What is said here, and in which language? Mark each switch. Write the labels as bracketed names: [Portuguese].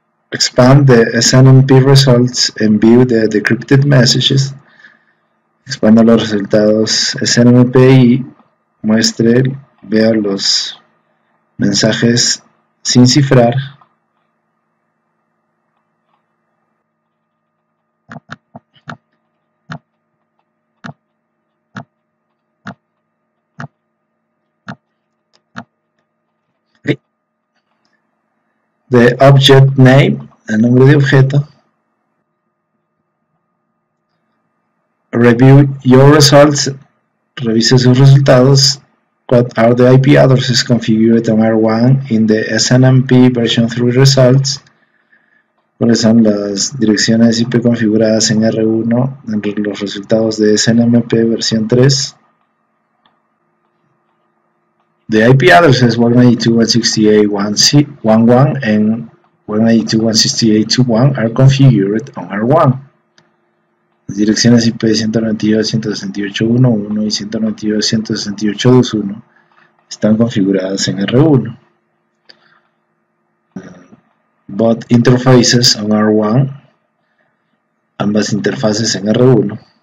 [English] Expand the SNMP results and view the decrypted messages. [Spanish] Expanda los resultados SNMP y muestre, vea los mensajes sin cifrar. [English] the object name, [Spanish] el nombre de objeto. [English] Review your results, [Spanish] revise sus resultados. [English] What are the IP addresses configured on R1 in the SNMP version 3 results? [Spanish] ¿Cuáles son las direcciones IP configuradas en R1 en los resultados de SNMP versión 3? [English] The IP address is 192.168.1.11 and 192.168.2.1 are configured on R1. [Spanish] Las direcciones IP 192.168.1.1 y 192.168.2.1 están configuradas en R1. [English] Both interfaces on R1, [Spanish] ambas interfaces en R1.